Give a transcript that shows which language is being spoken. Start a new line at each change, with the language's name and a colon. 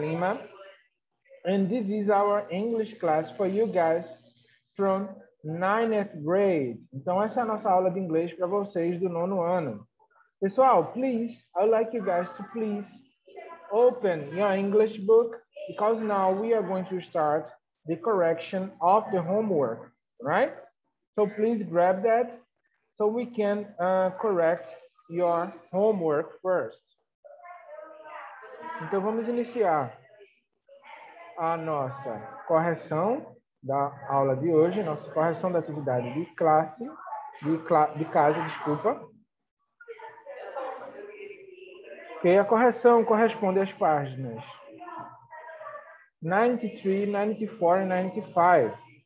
English: Lima, and this is our English class for you guys from 9th grade.
Portuguese: Então, essa é a nossa aula de inglês para vocês do nono ano.
English: Pessoal, please, I would like you guys to please open your English book because now we are going to start the correction of the homework, right? So please grab that so we can correct your homework first.
Portuguese: Então vamos iniciar a nossa correção da aula de hoje, nossa correção da atividade de classe, de casa, desculpa. Ok, a correção corresponde às páginas 93, 94 e 95.